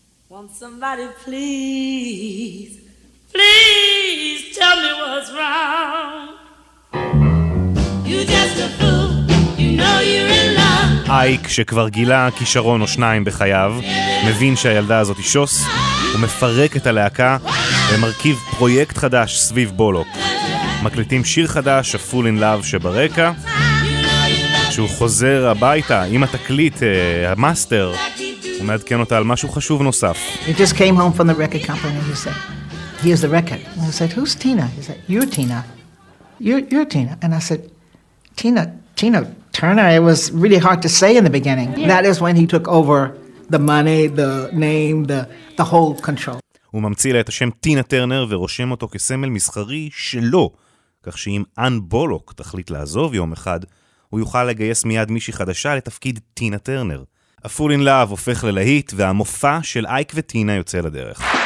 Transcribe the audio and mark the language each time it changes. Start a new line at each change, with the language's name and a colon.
English: Won't somebody please, please tell me what's wrong. You just a fool, you know you're in love.
Hebrew: אייק שכבר גילה כישרון או שניים בחייו, מבין שהילדה הזאת היא שוס, הוא מפרק את הלהקה ומרכיב פרויקט חדש סביב בולוק. מקליטים שיר חדש, A Fool in Love שברקע, שהוא חוזר הביתה עם התקליט, המאסטר, הוא מעדכן אותה על משהו חשוב נוסף.
English: You just came home from the record company, he said. He is the record. And I said, who's Tina? He said, you're Tina. You're Tina. And I said, Tina, Tina Turner, it was really hard to say in the beginning. Yeah. That is when he took over the money, the name, the whole control.
Hebrew: הוא ממציא לה את השם טינה טרנר ורושם אותו כסמל מסחרי שלו, כך שאם אן בולוק תחליט לעזוב יום אחד, הוא יוכל לגייס מיד מישהי חדשה לתפקיד טינה טרנר. A Fool in Love הופך ללהיט, והמופע של אייק וטינה יוצא לדרך.